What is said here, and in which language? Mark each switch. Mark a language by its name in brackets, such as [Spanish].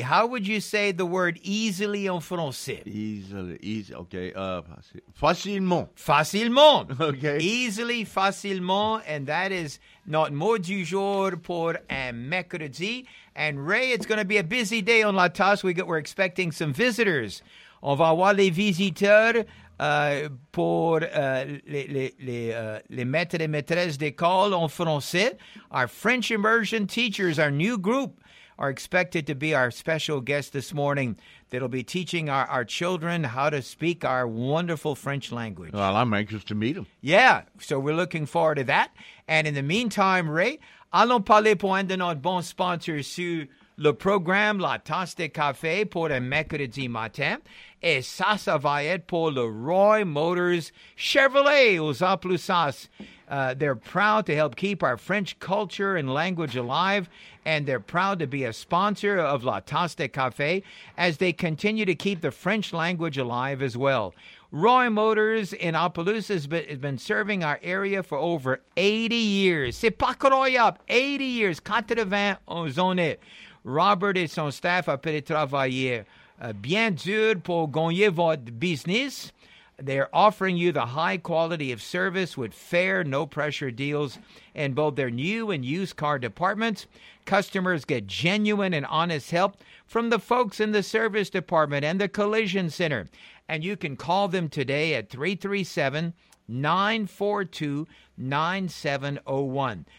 [English] How would you say the word easily [French] en français? [English] Easily, okay. [French] Facilement. Facilement. [English] Okay. Easily, facilement, and that is not [French] mot du jour pour un mercredi. [English] And Ray, it's going to be a busy day on La Tasse. We're expecting some visitors. [French] On va avoir les visiteurs pour les maîtres et maîtresses d'école en français. [English] Our French immersion teachers, our new group, are expected to be our special guest this morning. That'll be teaching our children how to speak our wonderful French language. Well, I'm anxious to meet them. Yeah, so we're looking forward to that. And in the meantime, Ray, [French] allons parler pour un de nos bons sponsors sur le programme La Tasse de Café pour un mercredi matin. Et ça va être pour le Roy Motors Chevrolet aux Amplusas. [English] They're proud to help keep our French culture and language alive, and they're proud to be a sponsor of La Tasse de Café as they continue to keep the French language alive as well. Roy Motors in Opelousas has been serving our area for over 80 years. [French] C'est pas croyable, [English] 80 years, [French] 91 ans. Robert et son staff a pu travailler bien dur pour gagner votre business. [English] They're offering you the high quality of service with fair, no pressure deals in both their new and used car departments. Customers get genuine and honest help from the folks in the service department and the collision center. And you can call them today at 337-942-9701.